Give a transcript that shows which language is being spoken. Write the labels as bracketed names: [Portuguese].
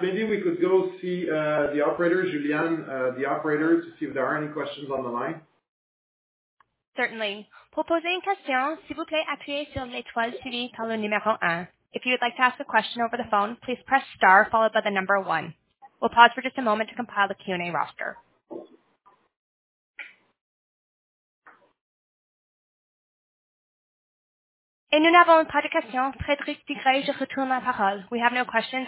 [English] Maybe we could go see the operator, Julianne, the operator, to see if there are any questions on the line. Certainly. [French] Pour poser une question, s'il vous plaît, appuyez sur l'étoile suivie par le numéro 1. [English] If you would like to ask a question over the phone, please press star followed by the number 1. We'll pause for just a moment to compile the Q&A roster. [French] Et nous n'avons pas de questions. Frédéric Digret, je retourne la parole. [English] We have no questions.